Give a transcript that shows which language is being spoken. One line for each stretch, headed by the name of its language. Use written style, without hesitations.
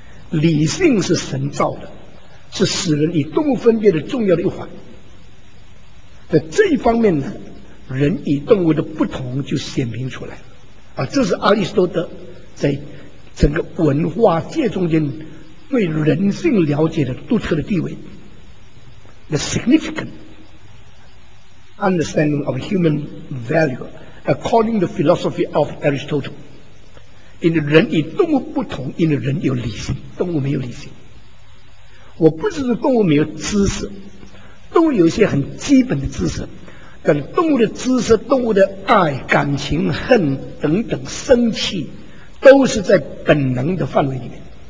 Chinese: 理性是神造的，是使人与动物分别的重要的一环。在这一方面呢，人与动物的不同就显明出来啊，这是阿里斯多德在整个文化界中间对人性了解的独特的地位。
English: The significant understanding of human value according to the philosophy of Aristotle.
Chinese: 因为人与动物不同，因为人有理性，动物没有理性。我不只是动物没有知识，动物有一些很基本的知识，但动物的知识、动物的爱、感情、恨等等、生气，都是在本能的范围里面。